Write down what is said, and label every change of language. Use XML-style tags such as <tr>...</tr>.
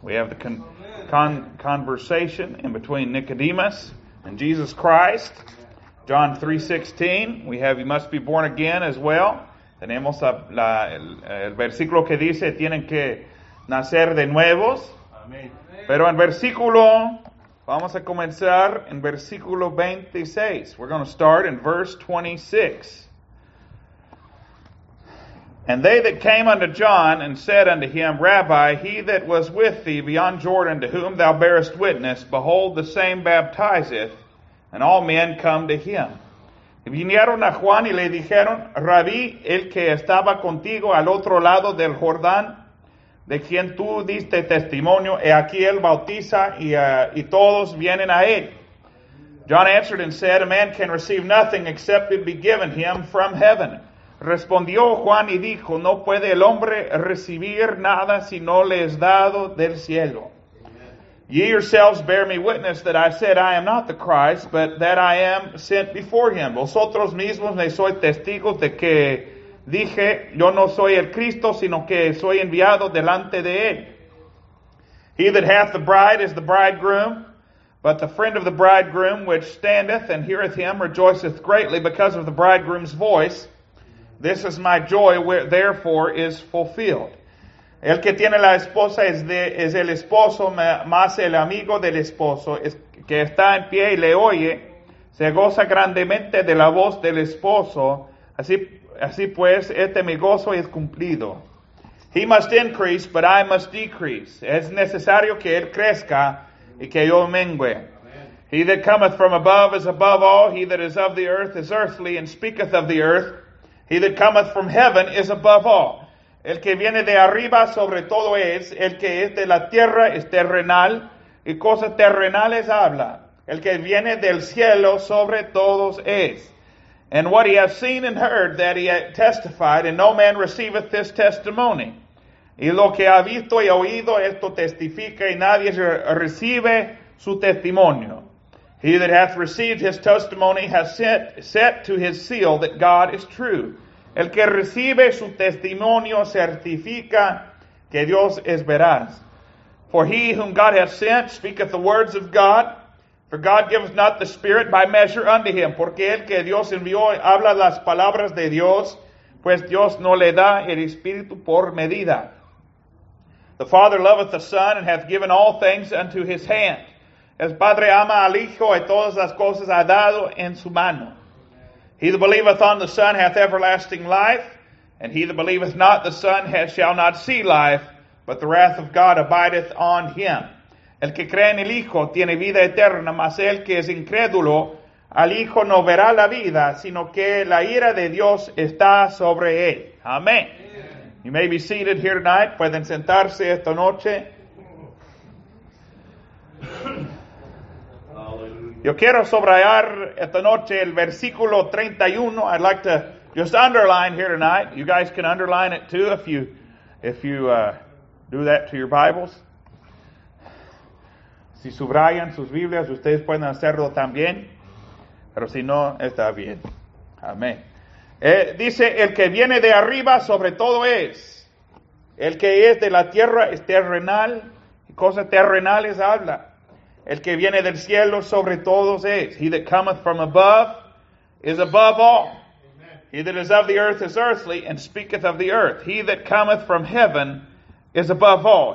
<en>We have the conversation in between Nicodemus and Jesus Christ. John 3:16, we have you must be born again as well.</en> <es>Tenemos el versículo que dice tienen que nacer de nuevos. Amén. Pero en versículo, vamos a comenzar en versículo 26.</es> <en>We're going to start in verse 26. And they that came unto John and said unto him, Rabbi, he that was with thee beyond Jordan, to whom thou bearest witness, behold, the same baptizeth, and all men come to him.</en> <es>Y vinieron a Juan y le dijeron, Rabí, el que estaba contigo al otro lado del Jordán, de quien tú diste testimonio, he aquí él bautiza y todos vienen a él.</es> <en>John answered and said, a man can receive nothing except it be given him from heaven.</en> <es>Respondió Juan y dijo, no puede el hombre recibir nada si no le es dado del cielo.</es> <en>Ye yourselves bear me witness that I said I am not the Christ, but that I am sent before him.</en> <es>Vosotros mismos me sois testigos de que dije, yo no soy el Cristo, sino que soy enviado delante de él.</es> <en>He that hath the bride is the bridegroom, but the friend of the bridegroom which standeth and heareth him rejoiceth greatly because of the bridegroom's voice. This is my joy, where therefore is fulfilled.</en> <es>El que tiene la esposa es el esposo, más el amigo del esposo, que está en pie y le oye, se goza grandemente de la voz del esposo. Así pues, este mi gozo es cumplido.</es> <en>He must increase, but I must decrease.</en> <es>Es necesario que él crezca y que yo mengue.</es> <en>He that cometh from above is above all. He that is of the earth is earthly and speaketh of the earth. He that cometh from heaven is above all.</en> <es>El que viene de arriba sobre todo es, el que es de la tierra es terrenal, y cosas terrenales habla. El que viene del cielo sobre todos es.</es> <en>And what he hath seen and heard that he hath testified, and no man receiveth this testimony.</en> <es>Y lo que ha visto y oído esto testifica, y nadie recibe su testimonio.</es> <en>He that hath received his testimony hath set to his seal that God is true.</en> <es>El que recibe su testimonio certifica que Dios es veraz.</es> <en>For he whom God hath sent speaketh the words of God, for God giveth not the Spirit by measure unto him.</en> <es>Porque el que Dios envió habla las palabras de Dios, pues Dios no le da el Espíritu por medida.</es> <en>The Father loveth the Son, and hath given all things unto his hand.</en> <es>El Padre ama al Hijo, y todas las cosas ha dado en su mano.</es> <en>He that believeth on the Son hath everlasting life, and he that believeth not the Son shall not see life, but the wrath of God abideth on him.</en> <es>El que cree en el Hijo tiene vida eterna, mas el que es incrédulo, al Hijo no verá la vida, sino que la ira de Dios está sobre él.</es> <en>Amén. You may be seated here tonight.</en> <es>Pueden sentarse esta noche. Yo quiero subrayar esta noche el versículo 31.</es> <en>I'd like to just underline here tonight. You guys can underline it too if you do that to your Bibles.</en> <es>Si subrayan sus Biblias, ustedes pueden hacerlo también. Pero si no, está bien. Amén. Dice, el que viene de arriba sobre todo es. El que es de la tierra es terrenal. Y cosas terrenales habla. El que viene del cielo sobre todos es.</es> <en>He that cometh from above is above all. He that is of the earth is earthly and speaketh of the earth. He that cometh from heaven is above all.</en>